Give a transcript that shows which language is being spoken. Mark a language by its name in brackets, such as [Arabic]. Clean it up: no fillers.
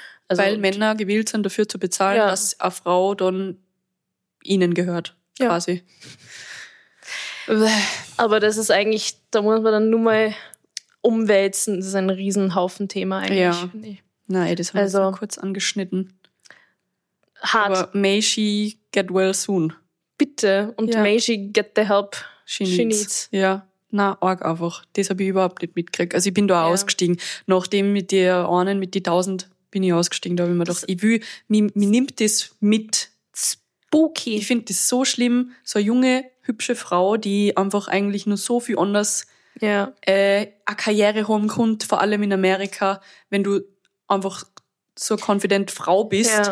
[German] Also weil Männer gewillt sind, dafür zu bezahlen, ja. dass eine Frau dann ihnen gehört, ja, quasi. Aber das ist eigentlich, da muss man dann nur mal umwälzen. Das ist ein Riesenhaufen-Thema eigentlich. Ja. Nee. Nein, das haben wir jetzt kurz angeschnitten. Hart. Aber [English] may she get well soon. [German] Bitte. Und ja, [English] may she get the help she needs. [German] Ja. Na, arg einfach. Das habe ich überhaupt nicht mitgekriegt. Also ich bin da auch ausgestiegen. Nachdem mit der einen, mit die 1000, bin ich ausgestiegen. Da habe ich mir gedacht, mir nimmt das mit. [English] Spooky. [German] Ich finde das so schlimm. So eine junge, hübsche Frau, die einfach eigentlich nur so viel anders eine Karriere haben konnte, vor allem in Amerika, wenn du einfach so eine confident Frau bist.